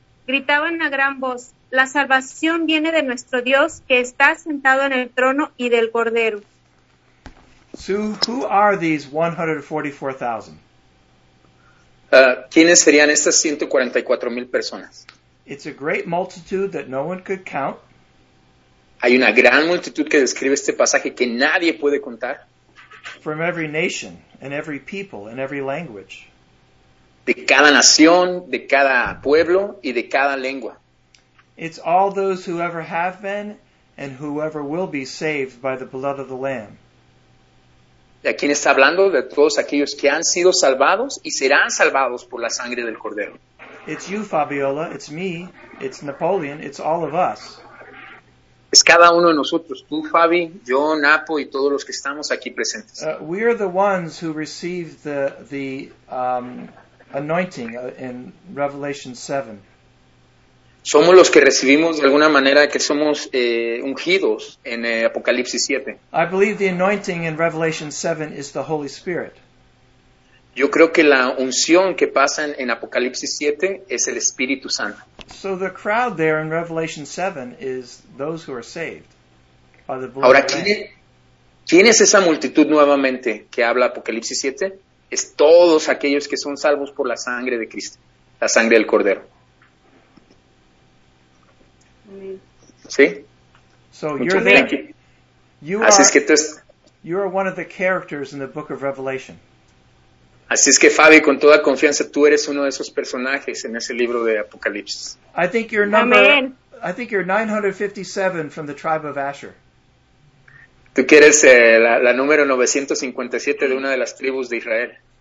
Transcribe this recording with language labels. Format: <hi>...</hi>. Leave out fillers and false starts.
<es>Gritaban a gran voz, la salvación viene de nuestro Dios que está sentado en el trono y del cordero.</es> <en>So, who are these 144,000?</en> <es>¿Quiénes serían estas 144,000 personas?</es> <en>It's a great multitude that no one could count.</en> <es>Hay una gran multitud que describe este pasaje que nadie puede contar.</es> <en>From every nation and every people and every language.</en> <es>De cada nación, de cada pueblo y de cada lengua.</es> <en>It's all those who ever have been and whoever will be saved by the blood of the Lamb.</en> <es>¿De quién está hablando? De todos aquellos que han sido salvados y serán salvados por la sangre del Cordero.</es> <en>It's you, Fabiola. It's me. It's Napoleon. It's all of us.</en> <es>Es cada uno de nosotros, tú, Fabi, yo, Napo y todos los que estamos aquí presentes.</es> <en>We are the ones who received the anointing in Revelation 7.</en> <es>Somos los que recibimos de alguna manera que somos ungidos en Apocalipsis 7.</es> <en>I believe the anointing in Revelation 7 is the Holy Spirit.</en> <es>Yo creo que la unción que pasa en Apocalipsis 7 es el Espíritu Santo.</es> <en>So the crowd there in Revelation 7 is those who are saved by the blood.</en> <es>Ahora, ¿quién es esa multitud nuevamente que habla Apocalipsis 7? Es todos aquellos que son salvos por la sangre de Cristo, la sangre del Cordero. ¿Sí?</es> <en>So you're there. You are,</en> <es>así es que tú</es> <en>you are one of the characters in the book of Revelation.</en> <es>Así es que, Fabi, con toda confianza, tú eres uno de esos personajes en ese libro de Apocalipsis.</es> <en>I think you're 957 from the tribe of Asher.</en> <es>Tú que eres la número 957 de una de las tribus de Israel.</es>